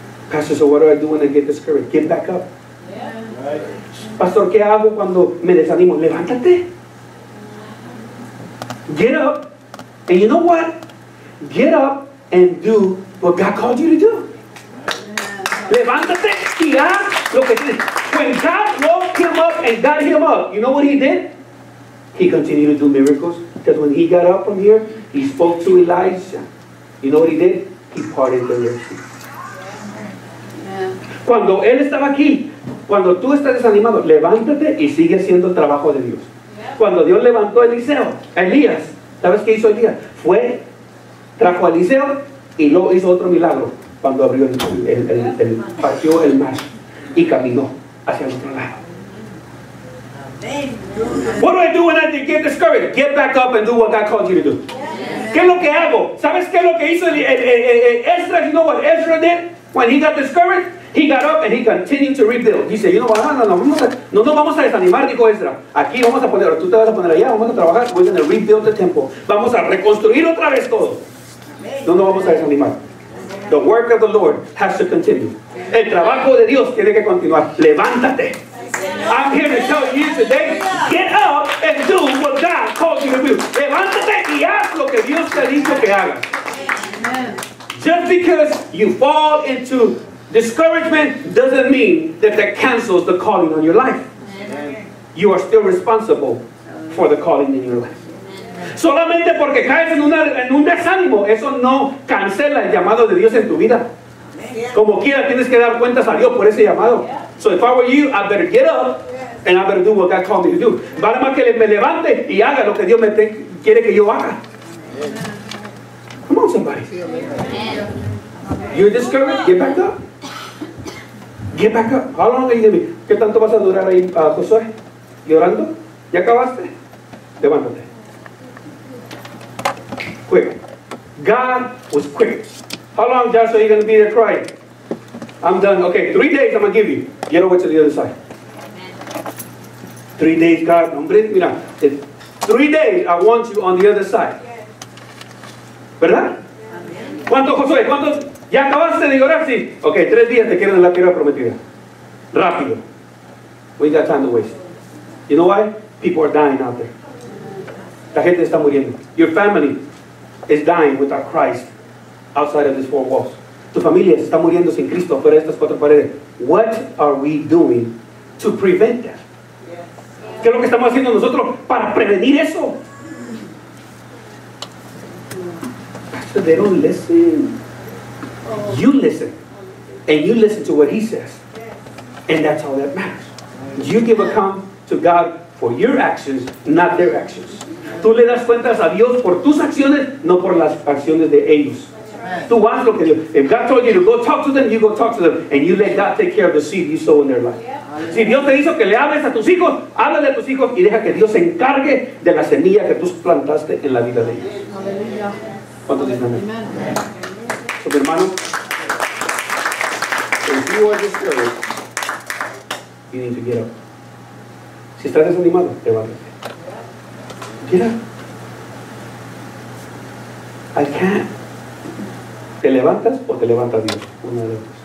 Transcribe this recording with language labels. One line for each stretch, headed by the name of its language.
English: Pastor, so what do I do when I get discouraged? Get back up. Yeah.
Spanish: Pastor, ¿qué hago cuando me desanimo? Levántate.
English: Get up. And you know what? Get up and do what God called you to do. Yeah.
Spanish: Levántate y haz lo que tienes.
English: When God woke him up and got him up, you know what he did? He continued to do miracles. Because when he got up from here, he spoke to Elijah. You know what he did? He parted the Red Sea.
Spanish: Cuando él estaba aquí, cuando tú estás desanimado, levántate y sigue haciendo el trabajo de Dios. Cuando Dios levantó a Eliseo, a Elías, ¿sabes qué hizo Elías? Fue, trajo a Eliseo y luego hizo otro milagro cuando abrió el partió el mar y caminó hacia el otro lado.
English: What do I do when I get discouraged? Get back up and do what God called you to do.
Spanish: ¿Qué es lo que hago? ¿Sabes qué es lo que hizo Ezra?
English: You know what Ezra did when he got discouraged? He got up and he continued to rebuild.
Spanish: Dice, yo no voy a, no, no, vamos a, no nos vamos a desanimar, dijo Ezra. Aquí vamos a poner, tú te vas a poner allá, vamos a trabajar,
English: we're going to rebuild the temple.
Spanish: Vamos a reconstruir otra vez todo. No nos vamos a desanimar.
English: The work of the Lord has to continue.
Spanish: El trabajo de Dios tiene que continuar. Levántate.
English: I'm here to tell you today, get up and do what God called you to do.
Spanish: Levántate y haz lo que Dios te dijo que hagas.
English: Just because you fall into discouragement doesn't mean that that cancels the calling on your life. Amen. You are still responsible for the calling in your life.
Spanish: Solamente porque caes en un desánimo, eso no cancela el llamado de Dios en tu vida. Como quiera, tienes que dar cuentas a Dios por ese llamado.
English: So if I were you, I better get up and I better do what God called me to do.
Spanish: Vale más que me levante y haga lo que Dios me quiere que yo haga.
English: Come on, somebody. You're discouraged? Get back up. Get back up. How long are you going to be?
Spanish: ¿Qué tanto vas a durar ahí, Josué? ¿Llorando? ¿Ya acabaste? Levántate.
English: Quick. God was quick. How long, Joshua, are you going to be there crying? I'm done. Okay, 3 days I'm going to give you. Get over to the other side. 3 days, God.
Spanish: Hombre, mira.
English: 3 days I want you on the other side.
Spanish: ¿Verdad? ¿Cuánto, Josué? ¿Cuánto? ¿Ya acabaste de orar? Sí. Ok, 3 días te quieren en la tierra prometida. Rápido.
English: We got time to waste. You know why? People are dying out there.
Spanish: La gente está muriendo.
English: Your family is dying without Christ outside of these four walls.
Spanish: Tu familia está muriendo sin Cristo fuera de estas cuatro paredes.
English: What are we doing to prevent that?
Spanish: ¿Qué es lo que estamos haciendo nosotros para prevenir eso?
English: Pastor, they don't listen. You listen. And you listen to what he says. And that's all that matters. You give account to God for your actions, not their actions.
Spanish: Tú le das cuentas a Dios por tus acciones, no por las acciones de ellos. Tú haz lo que Dios.
English: If God told you to go talk to them, you go talk to them. And you let God take care of the seed you sow in their life.
Spanish: Si Dios te dijo que le hables a tus hijos, háblale a tus hijos y deja que Dios se encargue de la semilla que tú plantaste en la vida de ellos. ¿Cuántos dicen amén?
English: So, hermano, if you are discouraged, you need to get up.
Spanish: Si estás desanimado, levántate. Mira,
English: I can't.
Spanish: Te levantas o te levanta Dios. Una de dos.